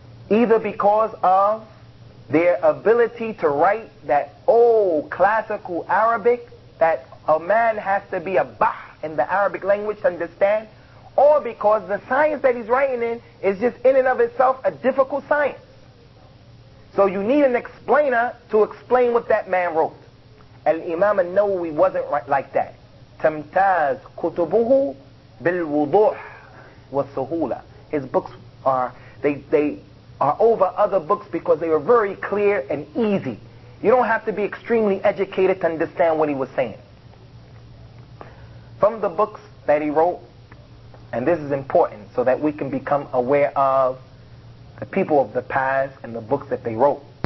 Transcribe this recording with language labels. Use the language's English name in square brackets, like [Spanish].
[English] Either because of their ability to write that old classical Arabic that a man has to be a bah in the Arabic language to understand, or because the science that he's writing in is just in and of itself a difficult science. So you need an explainer to explain what that man wrote. Al-Imam An-Nawawi wasn't like that. [Arabic] تمتاز كتبه بالوضوح والسهولة. [English] His books are over other books because they were very clear and easy. You don't have to be extremely educated to understand what he was saying. From the books that he wrote, and this is important so that we can become aware of the people of the past and the books that they wrote.